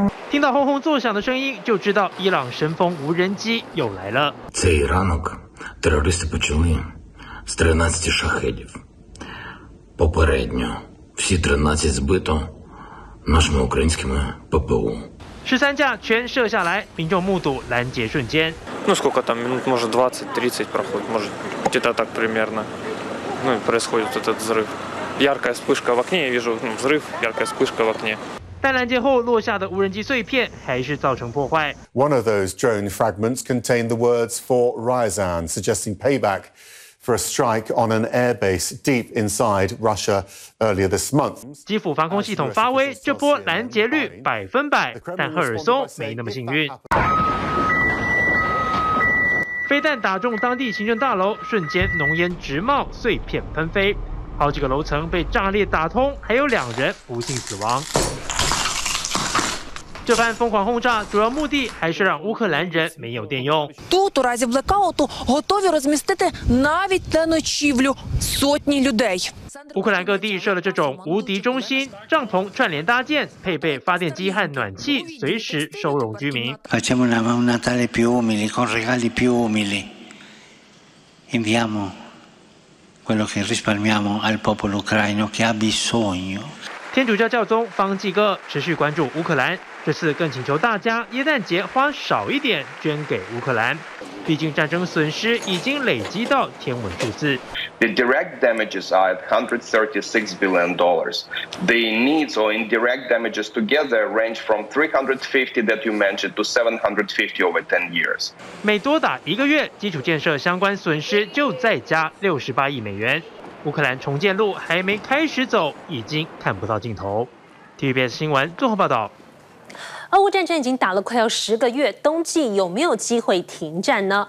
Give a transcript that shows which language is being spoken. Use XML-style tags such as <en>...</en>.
<zh>听到轰轰作响的声音，就知道伊朗神风无人机又来了。</zh> <uk>Цей ранок терористи почали з 13 шахедів. Попередньо всі 13 збито нашими українськими ППУ.</uk> <zh>13架全射下来，民众目睹拦截瞬间。</zh> <ru>Ну сколько там минут, може 20-30 проходить, може где-то так примерно. Ну і происходит этот взрыв. Яркая вспышка в окне, я вижу взрыв, яркая вспышка в окне.</ru> <zh>但拦截后落下的无人机碎片还是造成破坏。</zh> <en>One of those drone fragments contained the words for Ryazan, suggesting payback for a strike on an airbase deep inside Russia earlier this month.</en> <zh>基辅防空系统发威，这波拦截率百分百，但赫尔松没那么幸运。飞弹打中当地行政大楼，瞬间浓烟直冒，碎片纷飞。好几个楼层被炸裂打通，还有两人不幸死亡。这番疯狂轰炸主要目的还是让乌克兰人没有电用。</zh> <uk>Тут у разі блекауту готові розмістити навіть та ночівлю сотні людей。</uk> <zh>乌克兰各地设了这种无敌中心，帐篷串联搭建，配备发电机和暖气，随时收容居民。</zh> <it>Facciamo una Natale più umile con regali più umili. Inviamo. Quello che risparmiamo al popolo ucraino che ha bisogno。</it> <zh>天主教教宗方济各持续关注乌克兰，这次更请求大家耶诞节花少一点捐给乌克兰，毕竟战争损失已经累积到天文数字。</zh> <en>The direct damages are $136 billion. The needs or indirect damages together range from $350 that you mentioned to $750 over 10 years.</en> <zh>每多打一个月，基础建设相关损失就再加68亿美元。乌克兰重建路还没开始走，已经看不到尽头。TVBS 新闻综合报道。俄乌战争已经打了快要十个月，冬季有没有机会停战呢？</zh>